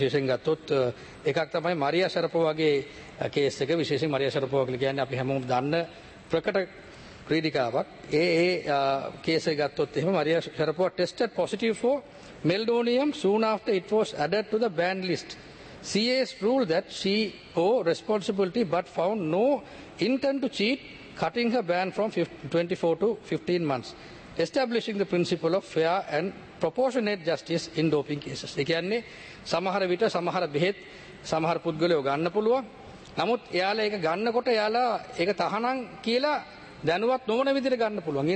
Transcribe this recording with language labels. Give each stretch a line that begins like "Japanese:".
Sinhala: විශේෂයෙන් ගත්තොත් එකක් තමයි මරියා ෂරපෝවාගේ කේස් එක. විශේෂයෙන් මරියා ෂරපෝවා කියලා කියන්නේ අපි හැමෝම දන්න ප්‍රකට ක්‍රීඩිකාවක්. ඒ කේස් එක ගත්තොත් එහෙම
English: Maria Sharapova tested positive for meldonium soon after it was added to the ban list. CAS ruled that she owed responsibility but found no intent to cheat, cutting her ban from 24 to 15 months, establishing the principle of fair and proportionate justice in doping cases.
Sinhala: ඒ කියන්නේ සමහර විට සමහර බෙහෙත් සමහර පුද්ගලයෝ ගන්න පුළුවන්. නමුත් එයාලා ඒක ගන්නකොට එයාලා ඒක තහනම් කියලා දැනුවත් නොවන විදිහට ගන්න පුළුවන්.